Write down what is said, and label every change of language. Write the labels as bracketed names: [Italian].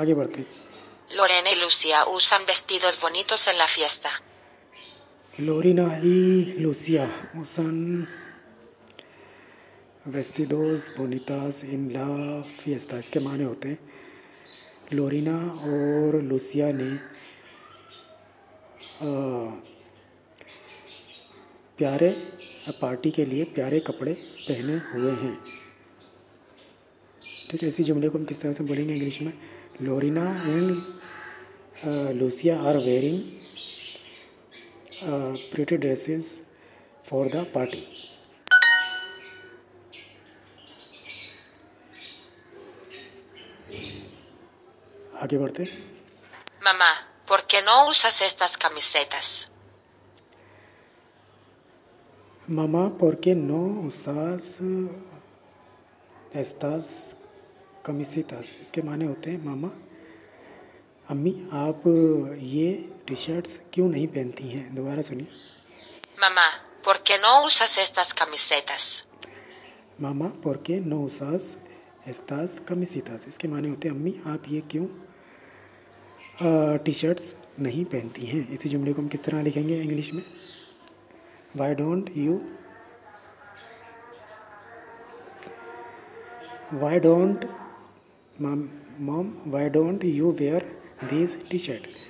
[Hindi] आगे बढ़ते हैं। [Spanish] Lorena y Lucía usan vestidos bonitos en la fiesta. Lorena y Lucía usan vestidos bonitas en la fiesta. [Hindi] इसके माने होते हैं Lorena और Lucía ने प्यारे पार्टी के लिए प्यारे कपड़े पहने हुए हैं। ठीक है, इसी जुमले को हम किस तरह से बोलेंगे इंग्लिश में, [English] Lorena and Lucía are wearing pretty dresses for the party. [Hindi] आगे बढ़ते। [Spanish] Mamá, ¿por qué no usas estas camisetas? Mamá, ¿por qué no usas estas camisetas? [Hindi] इसके माने होते हैं मामा, अम्मी आप ये टी शर्ट्स क्यों नहीं पहनती हैं। दोबारा सुनिए। [Spanish] मामा, ¿por qué no usas estas camisetas? मामा, ¿por qué no usas estas camisetas? [Hindi] इसके माने होते हैं अम्मी आप ये क्यों टी शर्ट्स नहीं पहनती हैं। इसी जुमले को हम किस तरह लिखेंगे इंग्लिश में, [English] why don't you wear these T shirt.